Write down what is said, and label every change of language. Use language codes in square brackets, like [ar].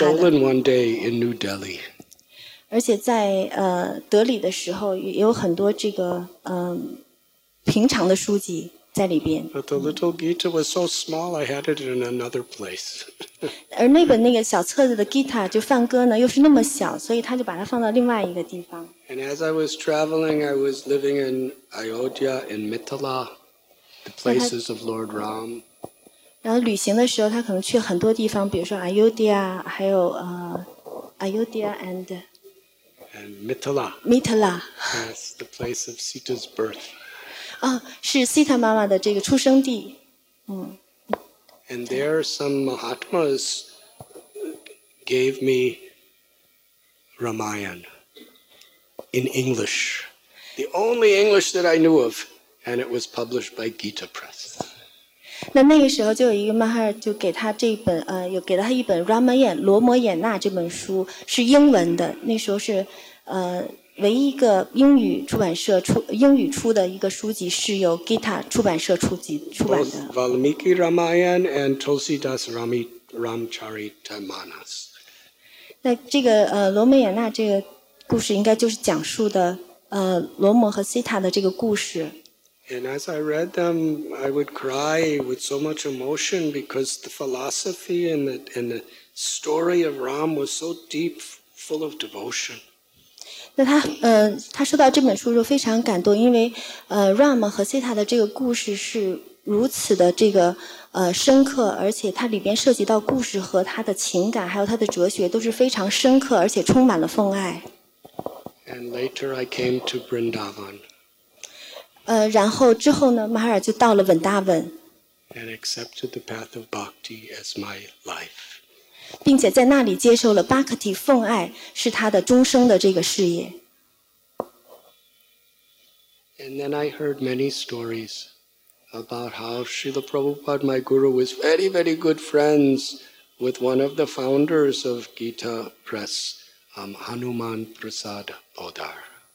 [en] But they were all stolen one day in New Delhi. [zh] 而且在德里的时候，也有很多这个平常的书籍在里边。 [en] But the little Gita was so small, I had it in another place. [zh] 而那个小册子的 Gita 就梵歌呢，又是那么小，所以他就把它放到另外一个地方。 [en] And as I was traveling, I was living in Ayodhya and Mithila, the places of Lord Ram. [zh] 然后旅行的时候，他可能去很多地方，比如说 Ayodhya， 还有 [en] Ayodhya and. And Mithila. Mithila. Yes, the place of Sita's birth. [zh] 啊，是 Sita 妈妈的这个出生地。嗯。 [en] And there are some Mahatmas gave me Ramayana in English, the only English that I knew of, and it was published by Gita Press. [zh] 那个时候就有一个 Mahar 就给他这本有给了他一本 Ramayana 罗摩衍那这本书是英文的，那时候是唯一一个英语出版社出英语出的一个书籍是由 Gita 出版社出版的。 [en] Both Valmiki Ramayana and Tulsidas Ramcharitmanas. [zh] 那这个罗摩衍那这个故事应该就是讲述的罗摩和 Sita 的这个故事。 [en] And as I read them, I would cry with so much emotion because the philosophy and the story of Ram was so deep, full of devotion. [zh] 那他他说到这本书就非常感动，因为Ram 和 Sita 的这个故事是如此的这个深刻，而且它里边涉及到故事和他的情感，还有他的哲学都是非常深刻，而且充满了风爱。 [en] And later I came to Vrindavan. [zh] 然后之后呢，马哈尔就到了文达文。 [en] And accepted the path of bhakti as my life. [zh] 并且在那里接受了 Bhakti 奉爱是他的终生的这个事业。 [en] And then I heard many stories about how Srila Prabhupada, my guru, was very, very good friends with one of the founders of Gita Press, Hanuman Prasad Bodhar.